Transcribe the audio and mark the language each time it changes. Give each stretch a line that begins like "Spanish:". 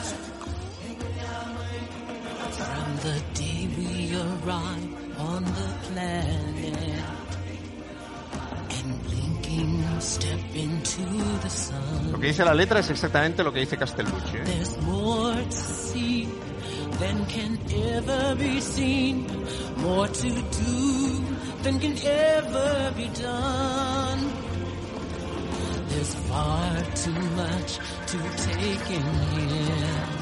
English: From the day we arrived on the planet and blinking step into the sun.
Spanish: Lo que dice la letra es exactamente lo que dice Castellucci, ¿eh?
English: There's more to see than can ever be seen, more to do than can ever be done. is far too much to take in here.